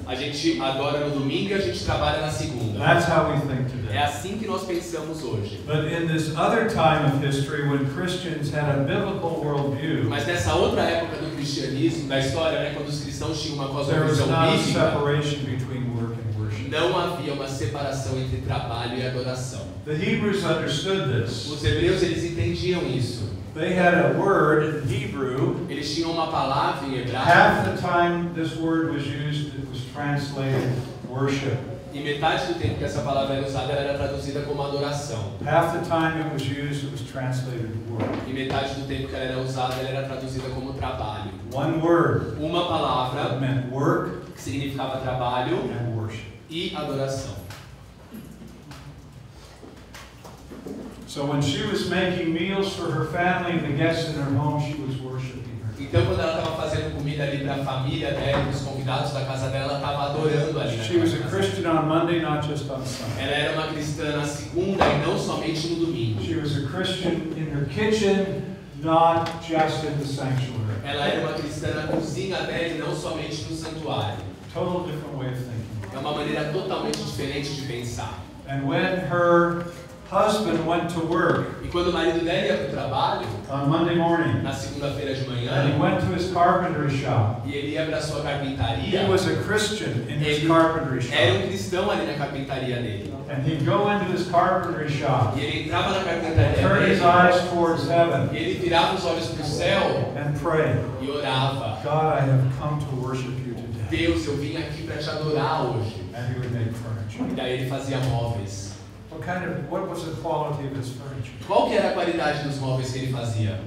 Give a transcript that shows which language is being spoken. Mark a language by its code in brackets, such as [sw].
[pt] A gente adora no domingo e a gente trabalha na segunda. [en] That's how we think today. [pt] É assim que nós pensamos hoje. [en] But in this other time of history when Christians had a biblical worldview. [pt] Mas nessa outra época do cristianismo, da história, né, quando os cristãos tinham uma cosmovisão bíblica, [en] a separation between work and worship. [pt] Não havia uma separação entre trabalho e adoração. [en] The Hebrews understood this. [pt] Os hebreus eles entendiam isso. [en] They had a word in Hebrew. [pt] Eles tinham uma palavra em hebraico. [en] Half the time this word was used, it was translated worship. [pt] E metade do tempo que essa palavra era usada, ela era traduzida como adoração. [en] Half the time it was used, it was translated work. [pt] E metade do tempo que ela era usada, ela era traduzida como trabalho. [en] One word. [pt] Uma palavra. [en] It meant work. [pt] Que significava trabalho. [en] And worship. [pt] E adoração. [en] So when she was making meals for her family and the guests in her home, she was worshiping her. [pt] Então quando ela estava fazendo comida ali para a família dela, né, os convidados da casa dela, ela estava adorando ali. [en] She was a Christian on Monday, not just on Sunday. [pt] Ela era uma cristã na segunda e não somente no domingo. [en] She was a Christian in her kitchen, not just in the sanctuary. [pt] Ela era uma cristã na cozinha dela e não somente no santuário. [en] Total different way of thinking. [pt] É uma maneira totalmente diferente de pensar. [en] And when her husband went to work. [pt] E quando o marido dela ia pro trabalho, [en] on Monday morning, [pt] na segunda-feira de manhã, [en] and he went to his carpenter shop. [pt] E ele ia para sua carpintaria. [en] He was a Christian in his carpenter shop. [pt] Era um cristão ali na carpintaria dele. [en] And he'd go into his carpenter shop. [pt] E ele entrava na carpintaria dele. [en] Turn his eyes towards heaven. [pt] E ele virava os olhos pro céu. [en] And pray. [pt] E orava. [en] God, I have come to worship you today. [pt] Deus, eu vim aqui para te adorar hoje. [en] And he would make furniture. [pt] E daí ele fazia móveis. [en] What was the quality of his furniture? [pt] Qual que era a qualidade dos móveis que ele fazia?